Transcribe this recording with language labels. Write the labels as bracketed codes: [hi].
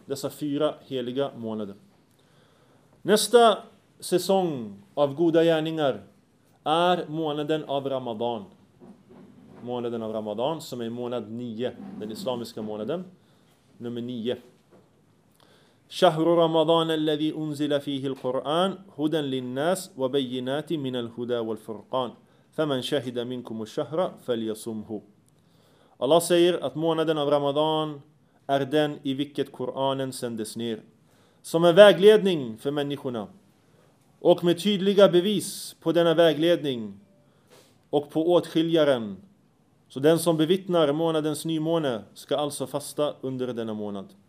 [sv] Dessa 4 heliga månader. Nästa säsong av goda gärningar är månaden av Ramadan. Månaden av Ramadan som är månad 9. Den islamiska månaden nummer 9. [ar] شهر رمضان الذي أنزل فيه القرآن هدى للناس وبينات من الهدى والفرقان فمن شهد منكم الشهر فليصمه. [sv] Allah säger att månaden av Ramadan är den i vilket Koranen sändes ner som en vägledning för människorna och med tydliga bevis på denna vägledning och på åtskiljaren. Så den som bevittnar månadens nymåne ska alltså fasta under denna månad.